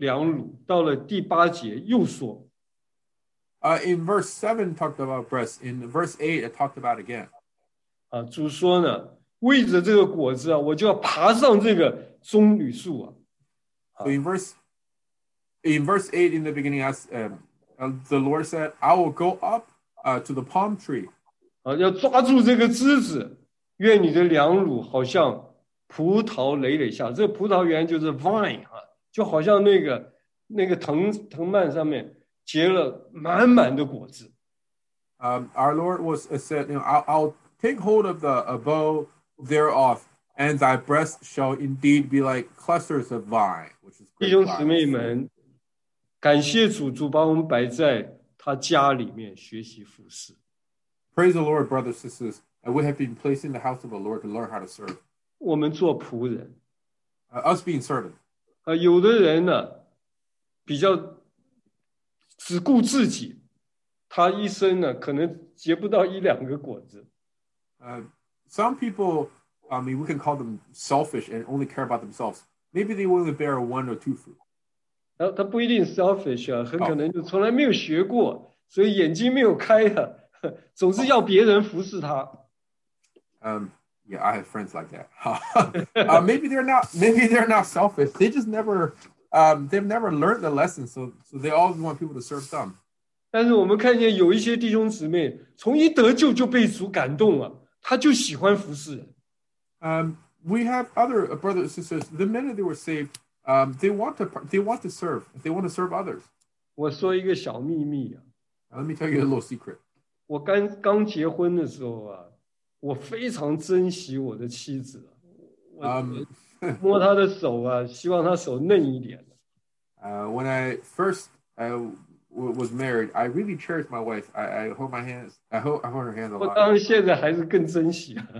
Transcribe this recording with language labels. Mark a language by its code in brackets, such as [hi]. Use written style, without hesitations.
[zh] 我们读这里啊,第七节说到这个良乳,到了第八节又说。 [en] In verse 7 talked about breasts, in verse 8 it talked about again. [zh] 主说呢,为着这个果子啊,我就要爬上这个棕榈树啊。 [en] In verse 8, in the beginning, the Lord said, I will go up to the palm tree. [zh] 要抓住这个枝子, 愿你的良乳好像葡萄累累下, 这葡萄园就是vine, 就好像那个藤蔓上面结了满满的果子。 [en] Our Lord was said, you know, I'll take hold of the bow thereof, and thy breast shall indeed be like clusters of vine, which is great. [zh] 弟兄姊妹们, 感谢主,主把我们摆在他家里面学习服侍。 [en] Praise the Lord, brothers and sisters, and we have been placed in the house of the Lord to learn how to serve. [zh] 我们做仆人。 [en] Us being servant. [zh] 有的人呢,比较只顾自己, 他一生呢,可能结不到一两个果子。 [en] Some people, I mean, we can call them selfish and only care about themselves. Maybe they only bear one or two fruit. [zh] 他不一定 selfish 很可能就从来没有学过，所以眼睛没有开的，总是要别人服侍他。 [en] I have friends like that. maybe they're not selfish. They just never, they've never learned the lesson, so they always want people to serve them. [zh] 但是我们看见有一些弟兄姊妹从一得救就被主感动了，他就喜欢服侍人。 [en] We have other brothers and sisters, the men that were saved, they want to serve. They want to serve others. [zh] 我说一个小秘密啊, [en] Let me tell you a little secret. [zh] 我刚结婚的时候啊, 我非常珍惜我的妻子, 我摸她的手啊, 希望她手嫩一点。 [en] When I first was married, I really cherished my wife. I hold her hands a lot. [zh] 我当然现在还是更珍惜,